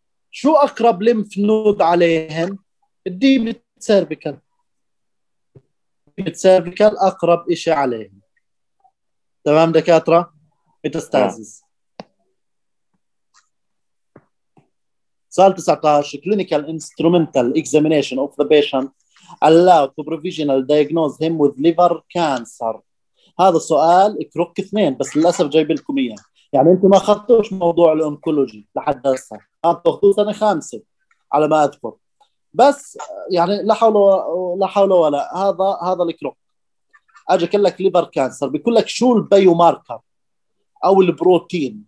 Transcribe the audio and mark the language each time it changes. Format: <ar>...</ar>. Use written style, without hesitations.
<ar>شو أقرب لمف نود عليهم؟ الديبت سيربيكال. الديبت سيربيكال أقرب إشي عليهم، تمام دكاترة؟ ميتاستازيس. سؤال 19.</ar> <en>Clinical instrumental examination of the patient allowed to provisional diagnose him with liver cancer.</en> <ar>هذا السؤال كروك اثنين، بس للأسف جايب لكم إياه، يعني أنتم ما خدتوش موضوع الأنكولوجي لحد هسه، خدتوا سنة خامسة على ما أذكر، بس يعني لا حول ولا. هذا الكروك. أجي أقول لك liver cancer، بيقول لك شو البيو ماركر أو البروتين.</ar>